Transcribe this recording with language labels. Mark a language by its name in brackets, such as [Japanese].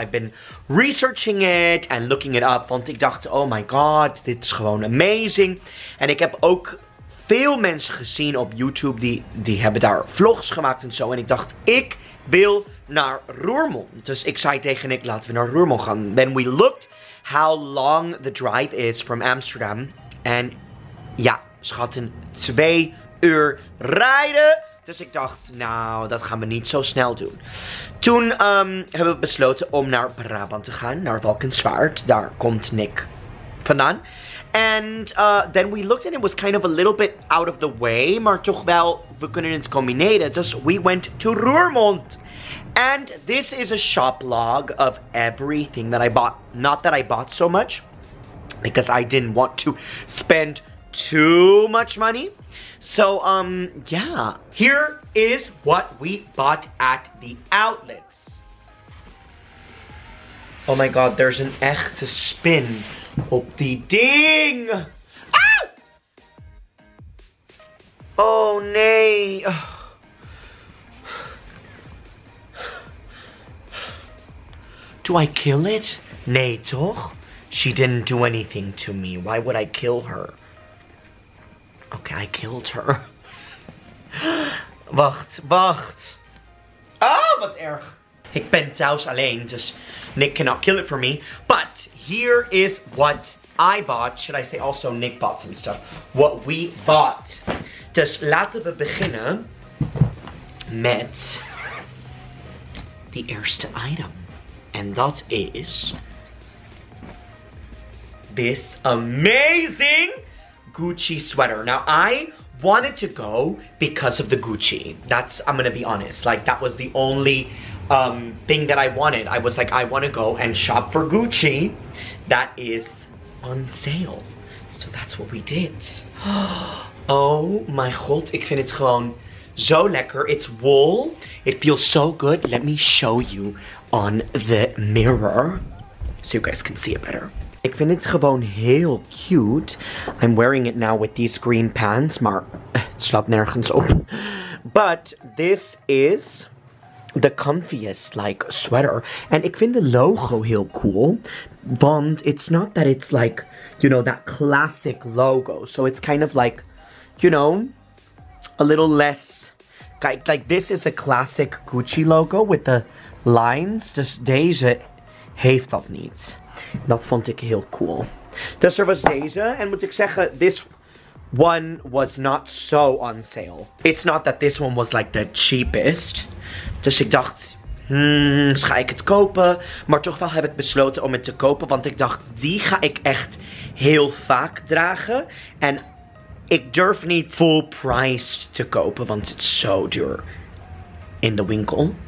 [English] I've been researching it and looking it up. [Dutch] Want ik dacht, [English] oh my god, [Dutch] dit is gewoon amazing. En ik heb ook veel mensen gezien op YouTube die hebben daar vlogs gemaakt en zo. En ik dacht, ik wil naar Roermond. Dus ik zei tegen Nick, laten we naar Roermond gaan. [English] Then we looked how long the drive is from Amsterdam. [Dutch] En ja, schatten, 2 uur rijden. Dus ik dacht, nou, dat gaan we niet zo snel doen. Toen hebben we besloten om naar Brabant te gaan, naar Valkenswaard. Daar komt Nick vandaan. [English] And then we looked and it was kind of a little bit out of the way. [Dutch] Maar toch wel, we kunnen het combineren. [English] Dus we went to Roermond. And this is a shoplog of everything that I bought. Not that I bought so much, because I didn't want to spend too much money. So, yeah. Here is what we bought at the outlets. Oh my god, there's an [Dutch] echte spin. Op die ding! [English] Ah! [Dutch] Oh nee! [English] Do I kill it? [Dutch] Nee, toch? [English] She didn't do anything to me. Why would I kill her? Okay, I killed her. [Dutch] Wacht, wacht. Ah, wat erg. Ik ben thuis alleen, dus [English] Nick cannot kill it for me. But here is what I bought. Should I say also Nick bought some stuff? What we bought. [Dutch] Dus laten we beginnen met the eerste item. [English] And that is this amazing Gucci sweater. Now, I wanted to go because of the Gucci. That's, I'm gonna be honest. Like, that was the only thing that I wanted. I was like, I wanna go and shop for Gucci that is on sale. So that's what we did. Oh my god, [Dutch] ik vind het gewoon zo lekker. [English] It's wool. It feels so good. Let me show you on the mirror so you guys can see it better. [Dutch] Ik vind het gewoon heel cute. [English] I'm wearing it now with these green pants, [Dutch] maar het slaat nergens op. [English] But this is the comfiest, like, sweater. [Dutch] And ik vind the logo heel cool. [English] Want it's not that it's like, you know, that classic logo. So it's kind of like, you know, a little less. Like, this is a classic Gucci logo with the lines. [Dutch] Dus deze heeft dat niet. Dat vond ik heel cool. Dus er was deze. En moet ik zeggen, [English] this one was not so on sale. It's not that this one was like the cheapest. [Dutch] Dus ik dacht, ga ik het kopen? Maar toch wel heb ik besloten om het te kopen. Want ik dacht, die ga ik echt heel vaak dragen. En ik durf niet full priced te kopen, want het is zo duur in de winkel.